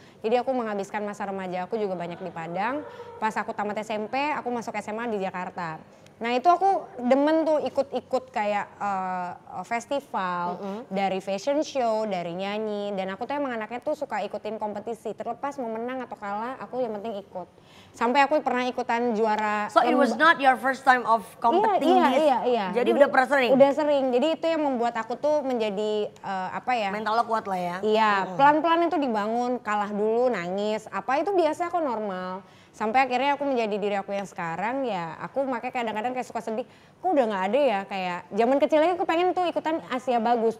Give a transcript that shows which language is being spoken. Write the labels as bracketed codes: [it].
[id] Jadi aku menghabiskan masa remaja aku juga banyak di Padang. Pas aku tamat SMP, aku masuk SMA di Jakarta. Nah itu aku demen tuh ikut-ikut kayak festival, dari fashion show, dari nyanyi. Dan aku tuh emang anaknya tuh suka ikutin kompetisi. Terlepas mau menang atau kalah, aku yang penting ikut. Sampai aku pernah ikutan juara. [en] So it was not your first time of competing? [id] Iya. Jadi udah pernah sering? Udah sering. Jadi itu yang membuat aku tuh menjadi apa ya. Mental lo kuat lah ya. Iya, pelan-pelan itu dibangun. Kalah dulu, nangis. Apa itu biasa aku normal. Sampai akhirnya aku menjadi diri aku yang sekarang, ya aku makanya kadang-kadang kayak suka sedih. Kok udah gak ada ya, kayak zaman kecil aja aku pengen tuh ikutan Asia Bagus.